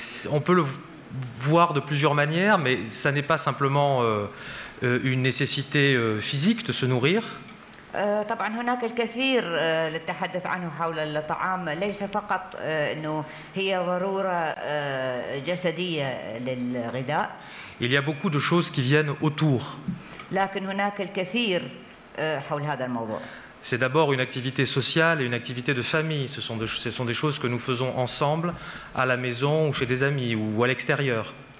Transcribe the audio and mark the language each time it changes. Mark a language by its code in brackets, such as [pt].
[fr] On peut le voir de plusieurs manières, mais ça n'est pas simplement une nécessité physique de se nourrir. [ar] طبعا هناك الكثير للتحدث عنه حول الطعام، ليس فقط انه هي ضرورة جسدية للغذاء. [fr] Il y a beaucoup de choses qui viennent autour. [ar] لكن هناك الكثير حول هذا الموضوع. [fr] C'est d'abord une activité sociale et une activité de famille. Ce sont des choses que nous faisons ensemble à la maison ou chez des amis ou à l'extérieur.